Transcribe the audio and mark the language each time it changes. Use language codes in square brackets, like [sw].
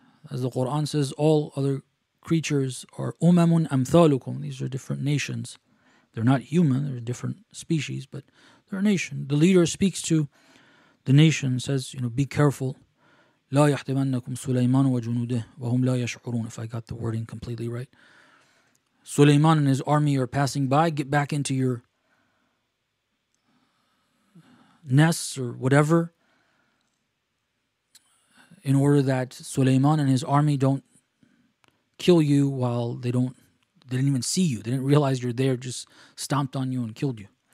[en] As the Quran says, all other creatures are umamun amthalukum. These are different nations. They're not human, they're a different species, but their nation. The leader speaks to the nation and says, you know, be careful. [ar] لا يحتمنكم سليمان وجنوده وهم لا يشعرون. [en] If I got the wording completely right. Sulaiman and his army are passing by. Get back into your nests or whatever, in order that Sulaiman and his army don't kill you while they didn't even see you. They didn't realize you're there, just stomped on you and killed you.